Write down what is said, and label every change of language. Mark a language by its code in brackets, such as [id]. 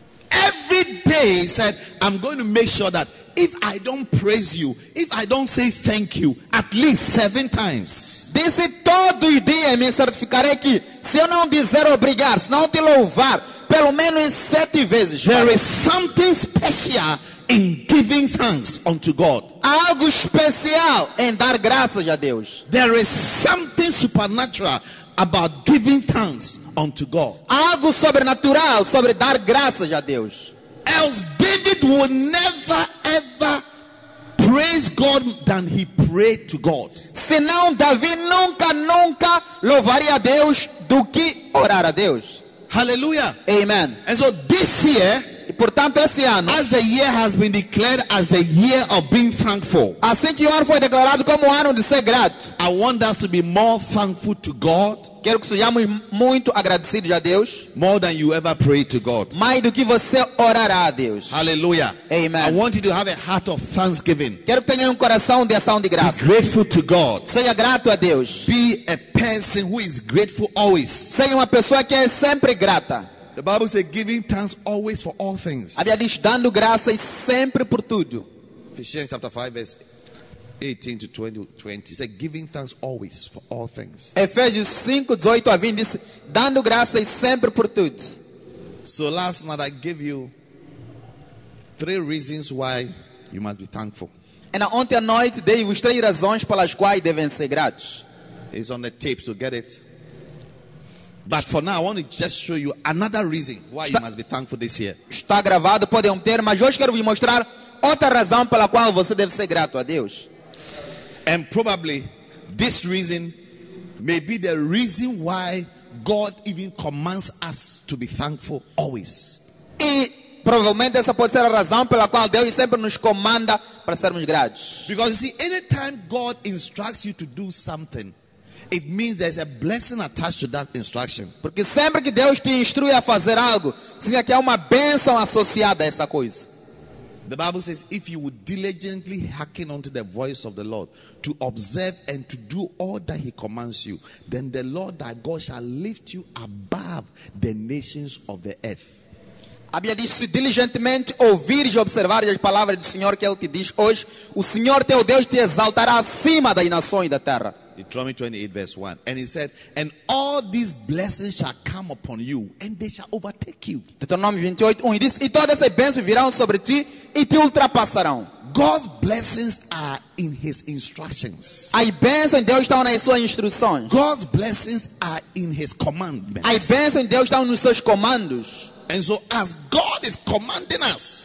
[en] Every day he said, I'm going to make sure that if I don't praise you, if I don't say thank you, at least 7 times. [pt] Disse todo dia, me certificarei que se eu não dizer obrigado, se não te louvar, pelo menos 7 vezes. [en] There is something special in giving thanks unto God. [pt] Há algo especial em dar graças a Deus. [en] There is something supernatural about giving thanks unto God. [pt] Há algo sobrenatural sobre dar graças a Deus. [en] Else David would never ever praise God than he prayed to God. [pt] Senão Davi nunca louvaria a Deus do que orar a Deus. Hallelujah. Amen. [en] And so this year, [pt] Portanto, esse ano, [en] as the year has been declared as the year of being thankful, [pt] assim que o ano foi declarado como ano de ser grato, [en] I want us to be more thankful to God. [pt] Quero que sejamos muito agradecidos a Deus. [en] More than you ever pray to God. [pt] Mais do que você orará a Deus. Hallelujah. Amen. [en] I want you to have a heart of thanksgiving. [pt] Quero que tenha coração de ação de graça. [en] Be grateful to God. [pt] Seja grato a Deus. [en] Be a person who is grateful always. [pt] Seja uma pessoa que é sempre grata. [en] The Bible says giving thanks always for all things. [pt] A Bíblia diz dando graças sempre por tudo. [en] Ephesians chapter 5 verse 18 to 20 said giving thanks always for all things. [pt] Efésios 5, 18 a 20 diz dando graças sempre por tudo. [en] So last night I gave you three reasons why you must be thankful. [pt] E na ontem à noite dei-vos três razões pelas quais devem ser gratos. [en] It's on the tape to get it. But for now I want to just show you another reason why you must be thankful this year. [pt] Está gravado, podem ter, mas hoje quero vos mostrar outra razão pela qual você deve ser grato a Deus. [en] And probably this reason may be the reason why God even commands us to be thankful always. [pt] E provavelmente essa pode ser a razão pela qual Deus sempre nos comanda para sermos gratos. [en] Because you see, anytime God instructs you to do something, it means there's a blessing attached to that instruction. [pt] Porque sempre que Deus te instrui a fazer algo, significa que há uma bênção associada a essa coisa. [en] The Bible says, if you would diligently hearken unto the voice of the Lord to observe and to do all that he commands you, then the Lord thy God shall lift you above the nations of the earth. [pt] A Bíblia diz, se diligentemente ouvires e observares as palavras do Senhor que ele te diz hoje, o Senhor teu Deus te exaltará acima das nações da terra. [en] Deuteronomy 28 verse 1. And he said, and all these blessings shall come upon you, and they shall overtake you. Deuteronomy 28:1. He says, [pt] e todas essas bênçãos virão sobre ti e te ultrapassarão. [en] God's blessings are in his instructions. [pt] As bênçãos de Deus estão nas suas instruções. [en] God's blessings are in his commandments. [pt] As bênçãos de Deus estão nos seus comandos. [en] And so as God is commanding us,